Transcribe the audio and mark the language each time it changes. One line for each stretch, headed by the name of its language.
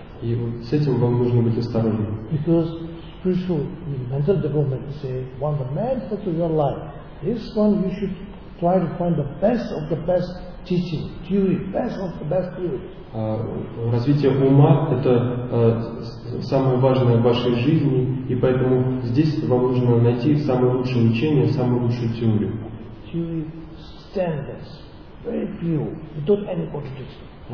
Russian: И вот с этим вам нужно быть осторожным.
English: Because spiritual mental development say one the main factor of your life. This one you should try to find the best of the best teaching, theory, best of the best theory.
Russian: Развитие ума это самое важное в вашей жизни, и поэтому здесь вам нужно найти самое лучшее учение, самую лучшую теорию.
English: Theory standards, very pure, without any contradiction.